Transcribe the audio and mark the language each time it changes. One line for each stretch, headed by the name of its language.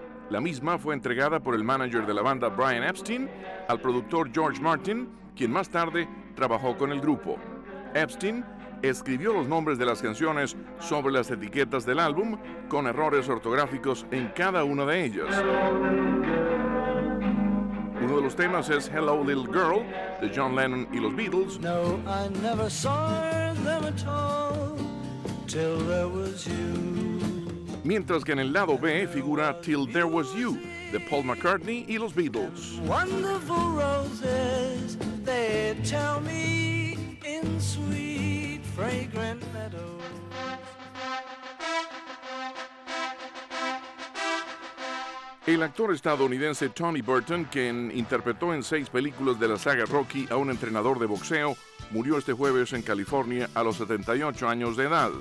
Spanish: La misma fue entregada por el manager de la banda Brian Epstein al productor George Martin, quien más tarde trabajó con el grupo. Epstein escribió los nombres de las canciones sobre las etiquetas del álbum, con errores ortográficos en cada una de ellas. Uno de los temas es Hello Little Girl, de John Lennon y los Beatles.
English: No, I never saw them at all, till there was you.
Spanish: Mientras que en el lado B figura Till There Was You, de Paul McCartney y los Beatles.
English: Wonderful roses, they tell me in sweet fragrant meadows.
Spanish: El actor estadounidense Tony Burton, quien interpretó en 6 películas de la saga Rocky a un entrenador de boxeo, murió este jueves en California a los 78 años de edad.